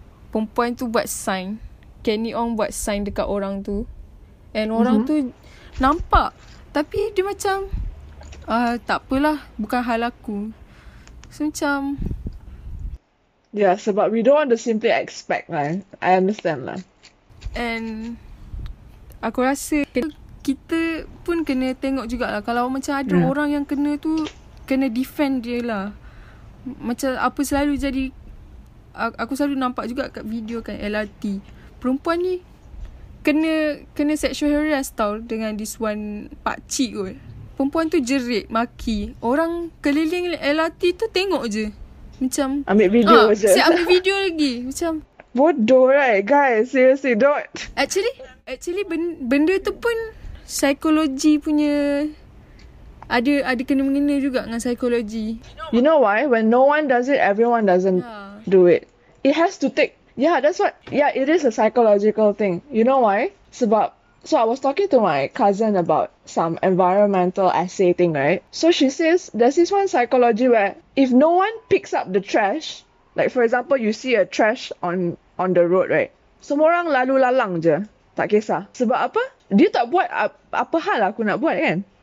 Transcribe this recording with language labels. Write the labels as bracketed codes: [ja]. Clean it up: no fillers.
[ms] Perempuan tu buat sign. Kenny Ong buat sign dekat orang tu. And orang tu nampak. Tapi dia macam, takpelah, bukan hal aku. So macam, [en] yeah, sebab we don't want to simply expect lah. I understand lah. [ms] And aku rasa kita pun kena tengok jugalah. Kalau macam ada orang yang kena tu, kena defend dia lah. Macam apa selalu jadi, aku selalu nampak juga kat video kan, LRT. Perempuan ni kena [en] sexual harass [ms] tau dengan [en] this one [ms] pakcik kot. Perempuan tu jerit, maki. Orang keliling LRT tu tengok je. Macam, ambil video je. Siap ambil video lagi. Macam, bodoh [en] right guys. Seriously, don't. Actually [ms] benda tu pun psikologi punya, ada kena-mengena juga dengan psikologi. [en] You know why? When no one does it, everyone doesn't do it. It has to take. Yeah, that's what. Yeah, it is a psychological thing. You know why? [ms] Sebab, [en] so I was talking to my cousin about some environmental essay thing, right? So she says, there's this one psychology where if no one picks up the trash, like for example, you see a trash on the road, right? [ms] Semua orang lalu lalang je. Tak kisah. Sebab apa? Dia tak buat apa hal aku nak buat kan?